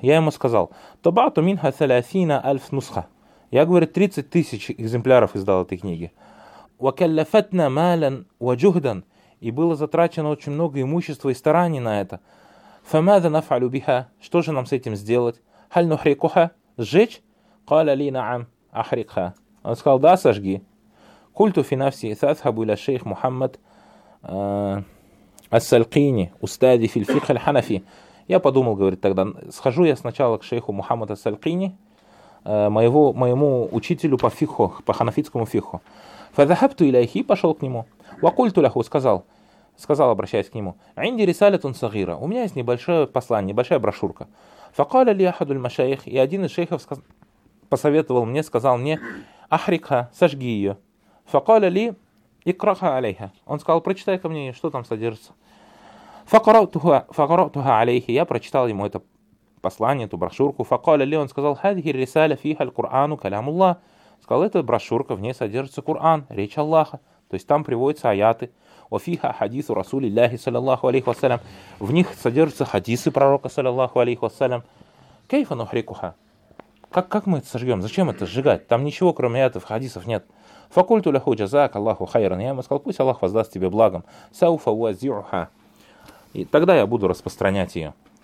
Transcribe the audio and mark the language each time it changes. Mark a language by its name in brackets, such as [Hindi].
[Russian] Я ему сказал, [Arabic] Табату минха саляфина альф нусха. [Russian] Я говорю, 30 тысяч экземпляров издал этой книги. [Arabic] Вакалляфатна малян ваджухдан. [Russian] И было затрачено очень много имущества и стараний на это. [Arabic] فماذا نفعل بها؟ [Russian] Что же нам с этим сделать? [Arabic] هل نحرقها؟ [Russian] Сжечь? [Arabic] قال لي نعم أحرقها. [Russian] Он сказал, да, сожги. [Arabic] قلت في نفسي سأذهب إلى الشيخ محمد السلقيني أستاذي في الفقه الحنفي. [Russian] Я подумал, говорит, тогда схожу я сначала к шейху Мухаммаду Ас-Салькини, моему учителю по фикху, по ханафитскому фикху. [Arabic] فذهبت إليه, [Russian] пошел к нему. [Arabic] وقلت له, [Russian] сказал, обращаясь к нему, [Arabic] «Инди рисалятун сагира». [Russian] У меня есть небольшое послание, небольшая брошюрка. [Arabic] «Факаля ли ахаду аль-машайх?» [Russian] И один из шейхов посоветовал мне, сказал мне, «Ахрикха, сожги ее». [Arabic] «Факаля ли икраха алейха?» [Russian] Он сказал, «Прочитай ко мне, что там содержится». [Arabic] «Факаратуха алейхи». [Russian] Я прочитал ему это послание, эту брошюрку. [Arabic] «Факаля ли?» [Russian] Он сказал, [Arabic] «Хадхи рисаля фиха аль-Кур'ану каляму-Ллах». [Russian] Сказал, «Эта брошюрка, в ней содержится Кур'ан, речь Аллаха». То есть там приводятся аяты. [Arabic] وفيها حديث رسول الله صلى الله عليه وسلم. [Russian] В них содержатся хадисы пророка саллаллаху алейхи вассалям. [Arabic] كيف نحرقها? [Russian] Как мы это сожжём? Зачем это сжигать? Там ничего кроме этого хадисов нет. [Arabic] فقلت له جزاك الله خيرا. [Russian] Я ему сказал, пусть Аллах воздаст тебе благом. [Arabic] سوف أوزعها. [Russian] И тогда я буду распространять её.